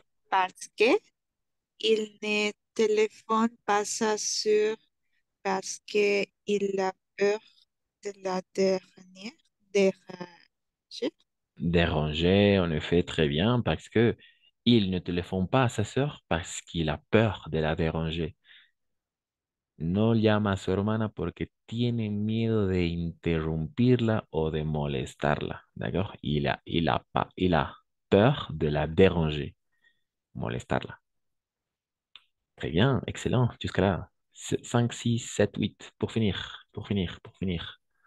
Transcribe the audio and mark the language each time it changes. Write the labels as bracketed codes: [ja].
[fr] Parce que il ne téléphone pas sa sœur parce que il a peur de la dernière déranger. Dérangé, en effet, très bien, parce que il ne téléphone pas à sa sœur parce qu'il a peur de la déranger. [es] No llama a su hermana porque tiene miedo de interrumpirla o de molestarla. [fr] D'accord? Il a peur de la déranger, molestarla. Très bien, excellent. Jusqu'à là, 5, 6, 7, 8, pour finir, pour finir, pour finir.